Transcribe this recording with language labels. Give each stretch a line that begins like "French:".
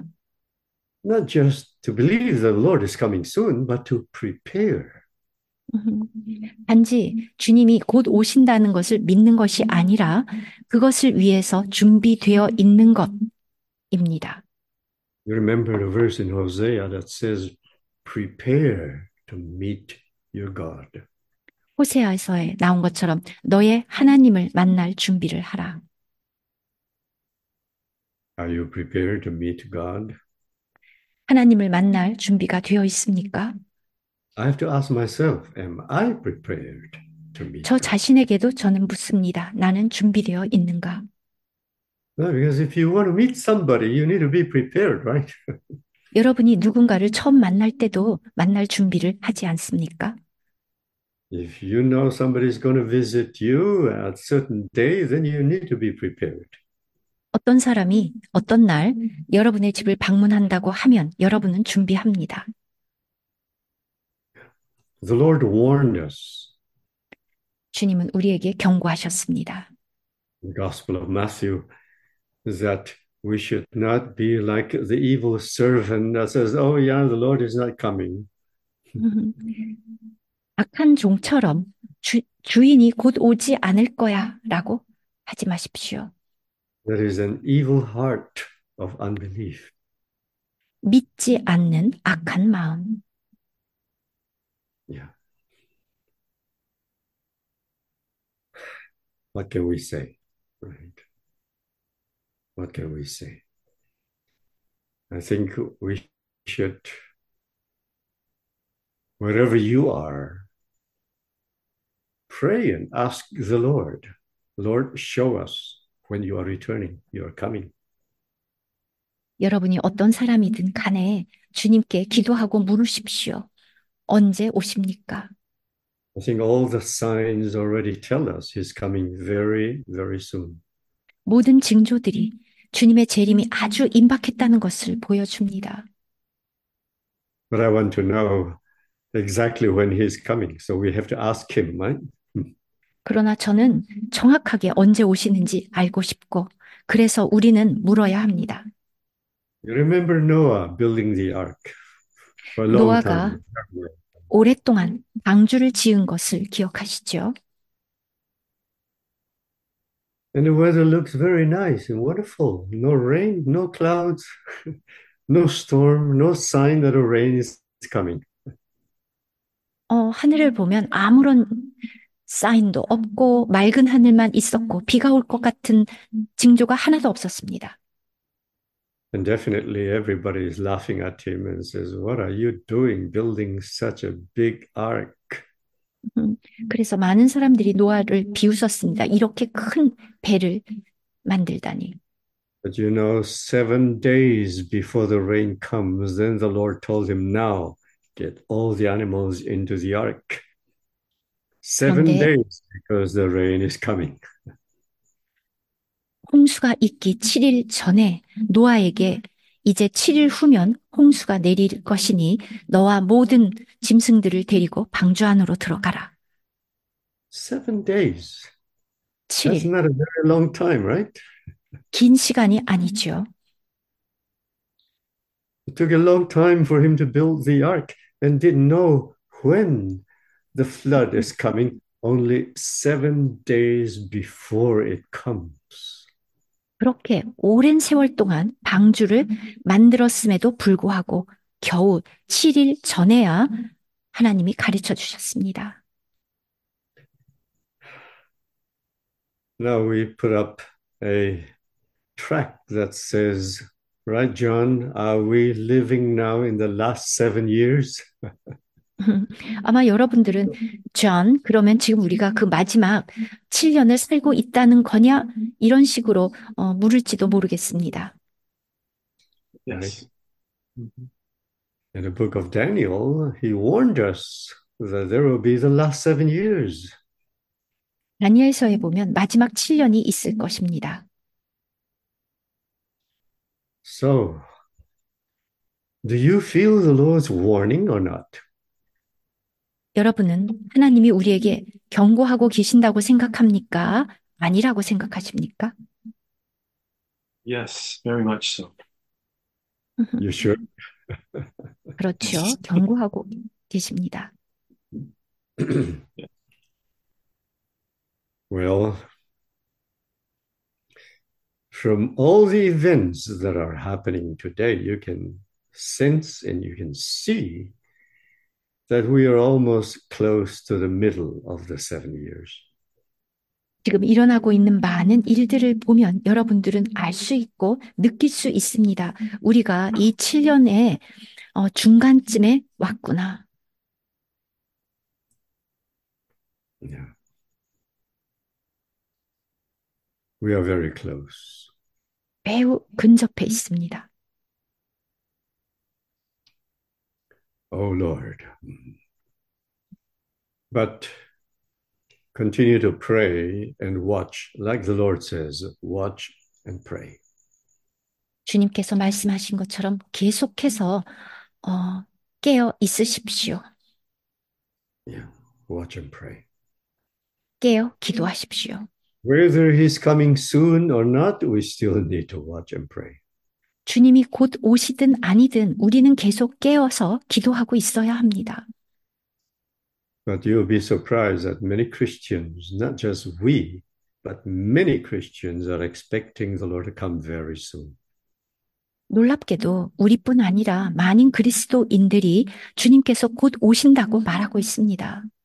English: what? Not just to believe the Lord is coming soon, but to prepare.
Korean: 단지 주님이 곧 오신다는 것을 믿는 것이 아니라 그것을 위해서 준비되어 있는 것입니다.
English: You remember the verse in Hosea that says, "Prepare to meet your God."
Korean: 호세아서에 나온 것처럼 너의 하나님을 만날 준비를 하라.
English: Are you prepared to meet God?
Korean: 하나님을 만날 준비가 되어 있습니까?
English: I have to ask myself, am I prepared to meet
Korean: 저
English: God?
Korean: 자신에게도 저는 묻습니다. 나는 준비되어 있는가?
English: No, because if you want to meet somebody, you need to be prepared, right?
Korean: 여러분이 누군가를 처음 만날 때도 만날 준비를 하지 않습니까?
English: If you know somebody is going to visit you at a certain day, then you need to be prepared.
Korean: 어떤 사람이 어떤 날 여러분의 집을 방문한다고 하면 여러분은 준비합니다.
English: The Lord warned us.
Korean: 주님은 우리에게 경고하셨습니다.
English: The Gospel of Matthew is that we should not be like the evil servant that says, "Oh, yeah, the Lord is not coming."
Korean: 악한 종처럼 주인이 곧 오지 않을 거야 라고 하지 마십시오.
English: There is an evil heart of unbelief.
Korean: 믿지 않는 악한 마음.
English: Yeah. What can we say? Right. What can we say? I think we should, wherever you are, pray and ask the Lord, Lord, show us when you are returning, you are coming.
Korean: 여러분이 어떤 사람이든 간에 주님께 기도하고 물으십시오. 언제 오십니까?
English: I think all the signs already tell us he's coming very, very soon.
Korean: 모든 징조들이 주님의 재림이 아주 임박했다는 것을 보여줍니다.
English: But I want to know exactly when he's coming, so we have to ask him, right?
Korean: 그러나 저는 정확하게 언제 오시는지 알고 싶고, 그래서 우리는 물어야 합니다.
English: You remember Noah building the ark for a long time.
Korean: 노아가 오랫동안 방주를 지은 것을 기억하시죠?
English: And the weather looks very nice and wonderful. No rain, no clouds, no storm, no sign that a rain is coming.
Korean: 하늘을 보면 아무런 사인도 없고 맑은 하늘만 있었고 비가 올것 같은 징조가 하나도 없었습니다.
English: And definitely everybody is laughing at him and says, "What are you doing building such a big ark?"
Korean: 그래서 많은 사람들이 노아를 비웃었습니다. 이렇게 큰 배를 만들다니.
English: But you know, 7 days before the rain comes, then the Lord told him, now get all the animals into the ark. Seven
Korean: 그런데
English: days because the rain is coming.
Korean: 홍수가 있기 7일 전에 노아에게 이제 7일 후면 홍수가 내릴 것이니 너와 모든 짐승들을 데리고 방주 안으로 들어가라.
English: 7 days. That's
Korean: 7일.
English: not a very long time, right?
Korean: 긴 시간이 아니죠.
English: It took a long time for him to build the ark and didn't know when the flood is coming, only 7 days before it comes.
Korean: 그렇게 오랜 세월 동안 방주를 만들었음에도 불구하고 겨우 7일 전에야 하나님이 가르쳐 주셨습니다.
English: Now we put up a track that says, right, John, are we living now in the last 7 years?
Korean: 아마 여러분들은 John, 그러면 지금 우리가 그 마지막 7년을 살고 있다는 거냐? 이런 식으로 물을지도 모르겠습니다.
English: Yes. In the book of Daniel, he warned us that there will be the last 7 years.
Korean: 다니엘서에 보면 마지막 7년이 있을 것입니다.
English: So, do you feel the Lord's warning or not?
Korean: 여러분은 하나님이 우리에게 경고하고 계신다고 생각합니까? 아니라고 생각하십니까?
English: Yes, very much so. You sure?
Korean: 그렇죠. 경고하고 계십니다.
English: Well, from all the events that are happening today, you can sense and you can see that we are almost close to the middle of the 7 years.
Korean: 지금 일어나고 있는 많은 일들을 보면 여러분들은 알수 있고 느낄 수 있습니다. 우리가 이 7년의 중간쯤에 왔구나.
English: Yeah. We are very close.
Korean: 매우 근접해 있습니다.
English: Oh Lord. But continue to pray and watch, like the Lord says, watch and pray.
Korean: 주님께서 말씀하신 것처럼 계속해서 깨어 있으십시오.
English: Yeah, watch and pray.
Korean: 깨어 기도하십시오.
English: Whether he's coming soon or not, we still need to watch and pray.
Korean: 주님이 곧 오시든 아니든 우리는 계속 깨어서 기도하고 있어야 합니다.
English: But you'll be surprised that many Christians, not just we, but many Christians are expecting the Lord to come very soon.
Korean: 놀랍게도 우리뿐 아니라 많은 그리스도인들이 주님께서 곧 오신다고 말하고 있습니다.